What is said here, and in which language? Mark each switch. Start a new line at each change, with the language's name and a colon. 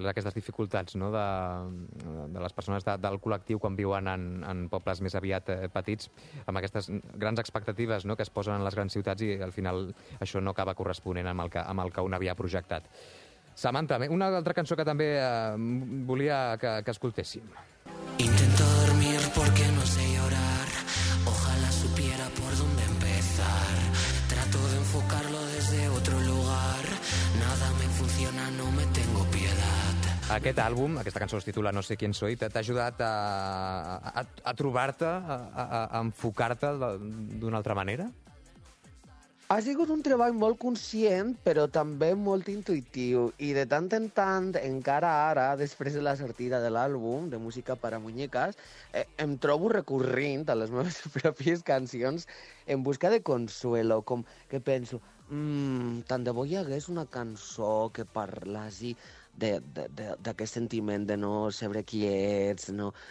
Catalan: Sí, aquestes dificultats, no?, de les persones del col·lectiu quan viuen en pobles més aviat petits, amb aquestes grans expectatives, no?, que es posen en les grans ciutats, i al final això no acaba corresponent amb el que un havia projectat. Samantha, una altra cançó que també volia que escoltéssim.
Spanish: Intento dormir porque no sé llorar, ojalá supiera por dónde empezar. Trato de enfocarlo desde otro lugar, nada me funciona, no me tengo piedad.
Catalan: Aquest àlbum, aquesta cançó es titula No sé quién soy, t'ha ajudat a trobar-te, a enfocar-te d'una altra manera? Ha sigut un treball molt conscient, però també molt intuïtiu. I de tant en tant, encara ara, després de la sortida de l'àlbum de Música para Muñecas, em trobo recorrent a les meves pròpies cancions en busca de consuelo, com que penso, tant de bo hi hagués una cançó que parlasi d'aquest sentiment de no saber qui ets, no?